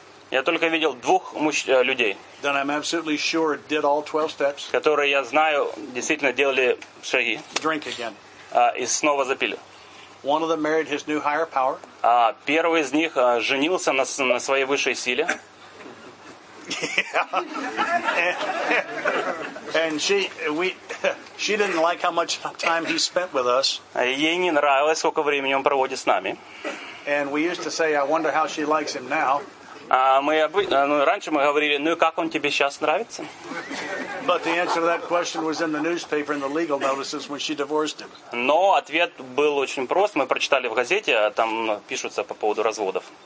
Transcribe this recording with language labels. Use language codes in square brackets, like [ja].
[ru] Я только видел двух людей. [en] That I'm absolutely sure did all 12 steps. [ru] Которые я знаю действительно делали шаги. [en] Drink again. [ru] И снова запили. [en] One of them married his new higher power. [ru] Первый из них женился на своей высшей силе. [en] Yeah. And she didn't like how much time he spent with us. [ru] Ей не нравилось, сколько времени он проводит с нами. [en] And we used to say, I wonder how she likes him now. [ru] Раньше мы говорили, ну и как он тебе сейчас нравится? [en] But the answer to that question was in the newspaper in the legal notices when she divorced him. [ru] Но ответ был очень прост. Мы прочитали в газете, там пишутся по поводу разводов.